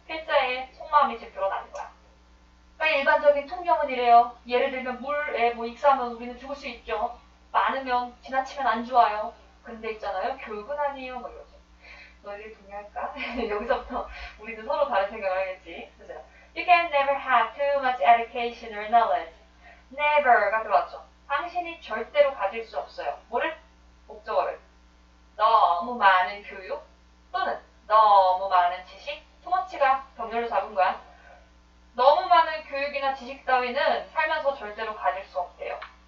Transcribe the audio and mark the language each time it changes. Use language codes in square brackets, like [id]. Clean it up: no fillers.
[ko] 필자의 속마음이 제대로 나는 거야. 일반적인 통념은 이래요. 예를 들면 물에 뭐 익사하면 우리는 죽을 수 있죠. 많으면 지나치면 안 좋아요. 근데 있잖아요. 교육은 아니에요. 뭐 이러죠. 너희들 동의할까? 여기서부터 우리는 서로 다른 생각을 하겠지. 그죠? [en] You can never have too much education or knowledge. [ko] Never가 들어왔죠. 당신이 절대로 가질 수 없어요. 뭐를? 목적어를. 너무 많은 교육 또는 너무 많은 지식. 투머치가 병렬로 잡은 거야. 너무 많은 교육이나 지식 따위는 살면서 절대로 가질 수 없대요.